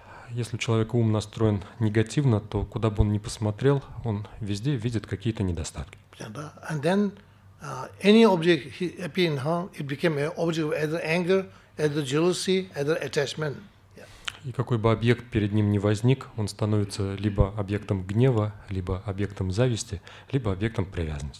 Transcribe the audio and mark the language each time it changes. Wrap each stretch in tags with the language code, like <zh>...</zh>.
<ru>Если человек ум настроен негативно, то куда бы он ни посмотрел, он везде видит какие-то недостатки. Понятно?</ru> <en>And then any object he appear in her, it became an object of either anger, either jealousy, either attachment.</en> <ru>И какой бы объект перед ним ни возник, он становится либо объектом гнева, либо объектом зависти, либо объектом привязанности.</ru>